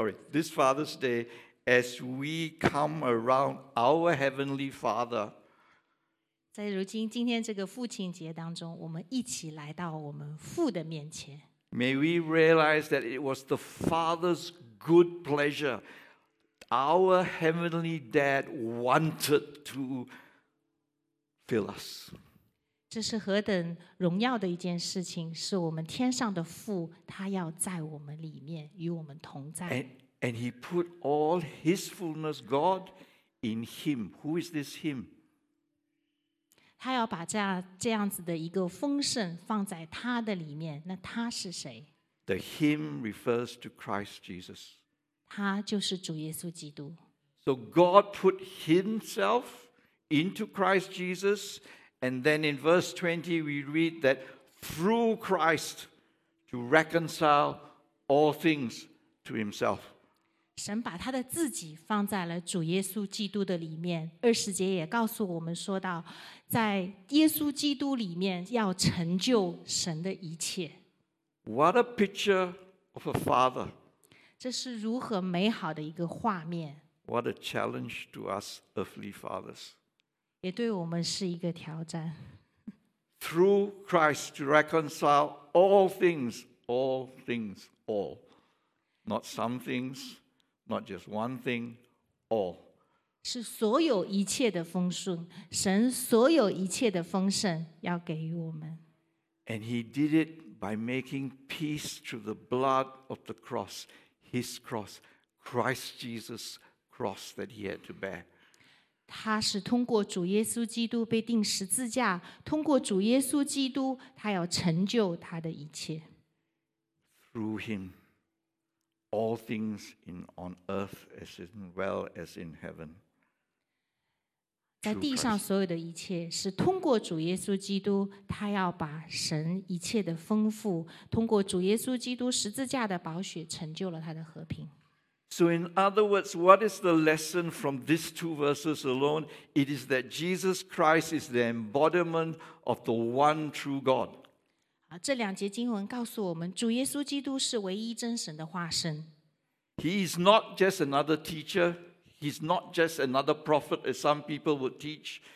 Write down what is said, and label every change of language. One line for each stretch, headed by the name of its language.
English: This Father's Day, as we come around our Heavenly Father,
Chinese: 在如今今天这个父亲节当中，我们一起来到我们父的面前。
English: May we realize that it was the Father's good pleasure, our Heavenly Dad wanted to fill us.
Chinese: 这是何等荣耀的一件事情，是我们天上的父他要在我们里面与我们同在。
English: And he put all his fullness God in him. Who is this him?
Chinese: 他要把这样子的一个丰盛放在他的里面，那他是谁？
English: The him refers to Christ Jesus.
Chinese: 他就是主耶稣基督。
English: So God put himself into Christ JesusAnd then in verse 20, we read that through Christ to reconcile all things to himself.
Chinese: 神把他的自己放在了主耶稣基督的里面。二十节也告诉我们说到，在耶稣基督里面要成就神的一切。
English: What a picture of a father.
Chinese: 这是如何美好的一个画面。
English: What a challenge to us earthly fathers.
Chinese: 也对我们是一个挑战。
English: Through Christ to reconcile all things, not some things, not just one thing, all.
Chinese: 是所有一切的丰盛，神所有一切的丰盛要给予我们。
English: And he did it by making peace through the blood of the cross, his cross, Christ Jesus' cross that he had to bear.
Chinese: 他是通过主耶稣基督被钉十字架，通过主耶稣基督，他要成就他的一切。
English: Through him, all things on earth as well as in heaven.
Chinese: 在地上所有的一切是通过主耶稣基督，他要把神一切的丰富，通过主耶稣基督十字架的宝血成就了他的和平。
English: So in other words, what is the lesson from these two verses alone? It is that Jesus Christ is the embodiment of the one true God.
Chinese: 这两节经文告诉我们，主耶稣基督是唯一真神的化身。
English: He is not just another teacher. He's not just another prophet, as some people would teach.